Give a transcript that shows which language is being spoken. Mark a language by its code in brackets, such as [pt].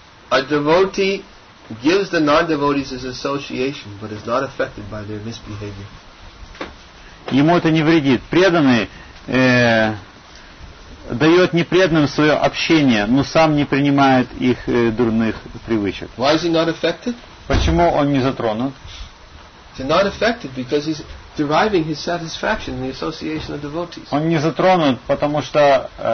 [en] A devotee gives the non-devotees his association, but is not affected by their misbehavior. [ru] Ему это не вредит. Преданный дает непреданным свое общение, но сам не принимает их дурных привычек. [en] Why is he not affected? [ru] Почему он не затронут? [en] He's not affected because he's deriving his satisfaction in the association of devotees. [ru] Он не затронут, потому что